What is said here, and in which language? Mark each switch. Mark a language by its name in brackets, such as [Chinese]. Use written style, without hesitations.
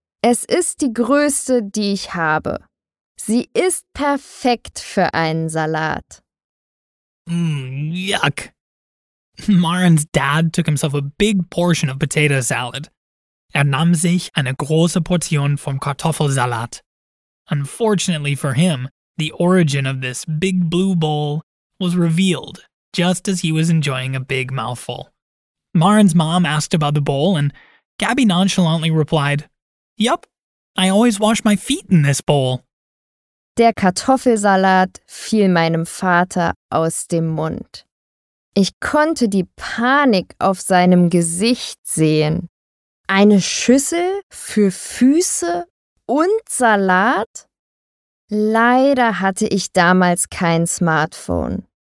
[German] Es ist die größte, die ich habe. Sie ist perfekt für einen Salat. [English] Yuck. Maren's dad took himself a big portion of potato salad. [German] Er nahm sich eine große Portion vom Kartoffelsalat. [English] Unfortunately for him, the origin of this big blue bowl was revealed just as he was enjoying a big mouthful. Maren's mom asked about the bowl, and Gabby nonchalantly replied, "Yup, I always wash my feet in this bowl." [German] Der Kartoffelsalat fiel meinem Vater aus dem Mund. Ich konnte die Panik auf seinem Gesicht sehen. Eine Schüssel für Füße und Salat? Leider hatte ich damals kein Smartphone.